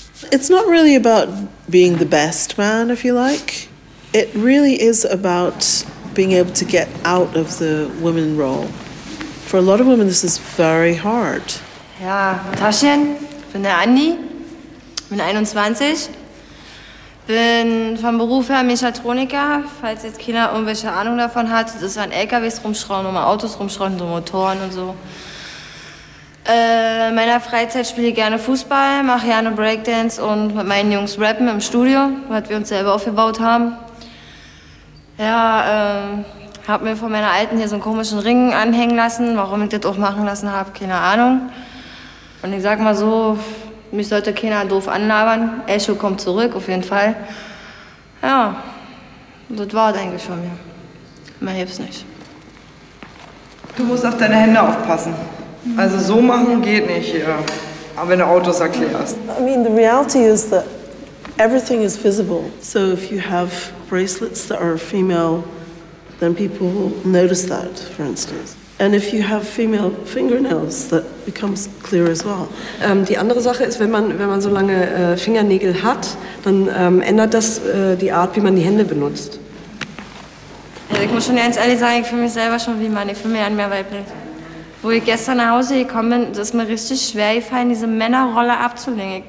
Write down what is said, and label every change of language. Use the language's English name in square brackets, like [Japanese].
[English] It's not really about being the best man, if you like. It really is about being able to get out of the woman role. For a lot of women, this is very hard. [German] Ja, Taschen, bin der Andi, bin 21, bin vom Beruf her Mechatroniker. Falls jetzt keiner irgendwelche Ahnung davon hat, das ist an LKWs rumschrauben, um Autos rumschrauben, so Motoren und so. In meiner Freizeit spiele ich gerne Fußball, mache gerne Breakdance und mit meinen Jungs rappen im Studio, was wir uns selber aufgebaut haben. Ja, habe mir von meiner Alten hier so einen komischen Ring anhängen lassen, warum ich das auch machen lassen habe, keine Ahnung. Und ich sag mal so, mich sollte keiner doof anlabern, Echo kommt zurück, auf jeden Fall. Ja, das war es eigentlich von mir. Mehr hilft's nicht. Du musst auf deine Hände aufpassen. Also so machen geht nicht hier, aber wenn du Autos erklärst. [English] I mean, the reality is that everything is visible. So if you have bracelets that are female, then people will notice that, for instance. And if you have female fingernails, that becomes clear as well. [German] Die andere Sache ist, wenn man so lange Fingernägel hat, dann ändert das die Art, wie man die Hände benutzt. Also ich muss schon ganz ehrlich sagen, ich fühle mich selber schon wie Mann, ich fühle mich an mehr weiblich. Wo ich gestern nach Hause gekommen bin, das ist mir richtig schwer gefallen, diese Männerrolle abzulegen.